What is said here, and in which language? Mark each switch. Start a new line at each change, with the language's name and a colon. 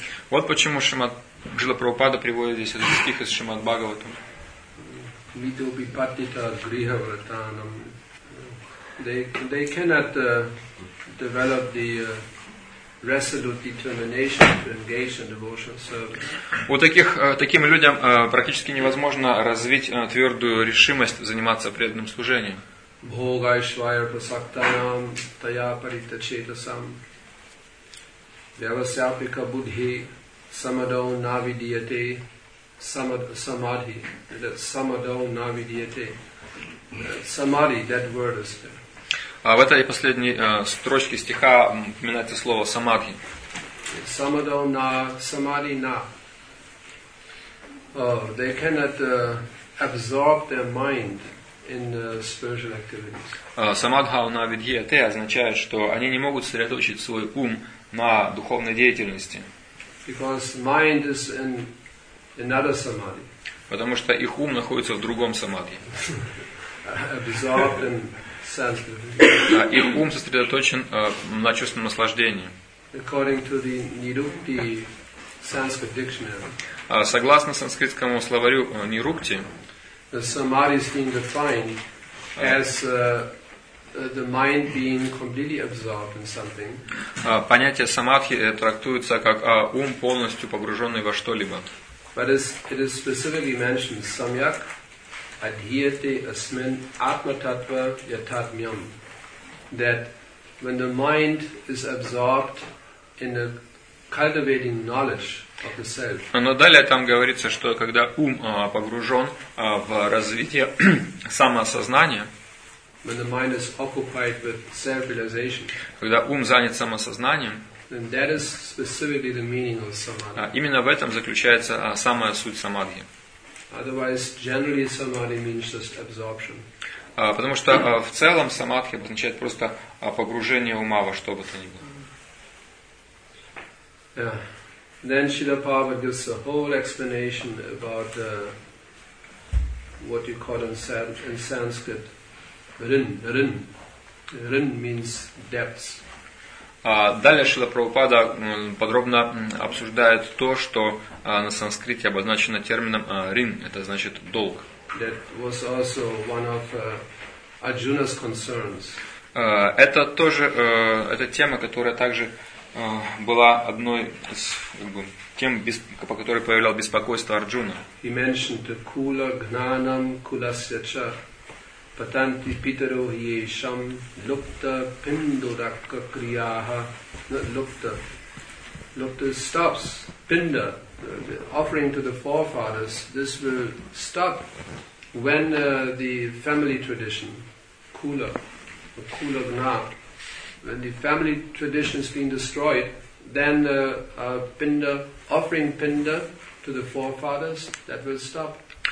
Russian: Вот почему Шрила Прабхупада приводит здесь этот стих из Шримад Бхагаватам.
Sanskrit: Midhobi patita grihavratanam.
English: They cannot develop the resolute determination to engage in devotional service.
Russian: У таких таким людям практически невозможно развить твердую решимость заниматься преданным служением.
Sanskrit: Bhogaishvaya prasaktanam taya paritachetasam vyavasyapika buddhi samado navidiyate samadhi.
English: That
Sanskrit: samado navidiyate samadhi,
English: that word is there.
Russian: А в этой последней строчке стиха упоминается слово самадхи.
Sanskrit: Samado na, samadhi na.
English: They cannot absorb their mind in spiritual activities.
Sanskrit: Samadha na vidyate
Russian: означает, что они не могут сосредоточить свой ум на духовной деятельности.
English: Because mind is in another samadhi.
Russian: Потому что их ум находится в другом самадхи.
English: Absorbed in
Russian: А их ум сосредоточен на чувственном наслаждении.
English: According to the Nirukti Sanskrit dictionary.
Russian: Согласно санскритскому словарю Нирукти.
English: Samadhi is being defined as the mind being completely absorbed in something.
Russian: Понятие самадхи трактуется как ум полностью погруженный во что-либо.
English: But it is specifically mentioned
Sanskrit: samyak adhyate asmin atma tattva yatatmyam,
English: that when the mind is absorbed in the cultivating knowledge of the self.
Russian: Но далее там говорится, что когда ум погружен в развитие самосознания,
English: when the mind is occupied with self-realization,
Russian: когда ум занят самосознанием,
English: then that is specifically the meaning of samadhi.
Russian: Именно в этом заключается самая суть самадхи.
English: Otherwise, generally samadhi means just absorption.
Russian: Потому что в целом самадхи означает просто погружение ума во что бы то ни было.
English: Yeah. Then Srila Prabhupada gives a whole explanation about what you call in Sanskrit rin means depths.
Russian: Далее Шрила Прабхупада подробно обсуждает то, что на санскрите обозначено термином рин, это значит долг.
English: That was also one of Arjuna's concerns.
Russian: Это тоже это тема, которая также была одной из тем, по которой появлялось беспокойство Арджуна.
Sanskrit: He mentioned kula gnanam kulasya cha patanti pitaro yesham lupta pindurakka kriyaha
English: lupta stops pinda offering to the forefathers, this will stop when the family tradition kula gna, when the family tradition is being destroyed, then pinda, offering pinda to the forefathers, that will stop.